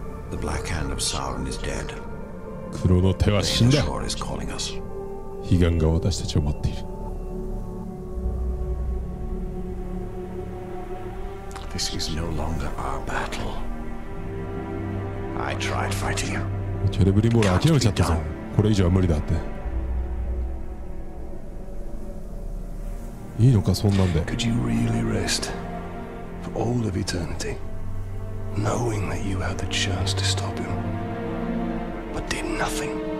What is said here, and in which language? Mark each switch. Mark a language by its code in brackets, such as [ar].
[en] The Black Hand of Sauron is dead. [ja] 黒の手は死んだ。悲願が私たちを待っている。 [en] This is no longer our battle. I tried fighting you. [ja] ケレブリンボール諦めちゃったぞ。これ以上は無理だって。いいのかそんなんで。 [en] Could you really rest for all of eternity? Knowing that you had the chance to stop him, but did nothing.